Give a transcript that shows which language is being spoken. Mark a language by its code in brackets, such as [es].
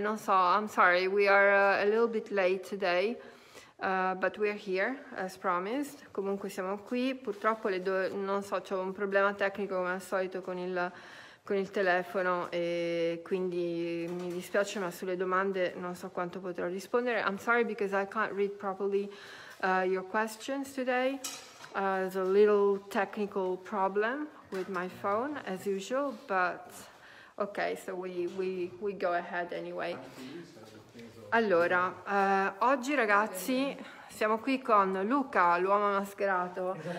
[it] Non so, [en] I'm sorry, we are a little bit late today, but we are here as promised. [it] Comunque siamo qui. Purtroppo non so, c'ho un problema tecnico come al solito con il telefono e quindi mi dispiace, ma sulle domande non so quanto potrò rispondere. [en] I'm sorry because I can't read properly your questions today. There's a little technical problem with my phone, as usual, but okay, so we go ahead anyway. [it] Allora, oggi ragazzi siamo qui con Luca, l'uomo mascherato.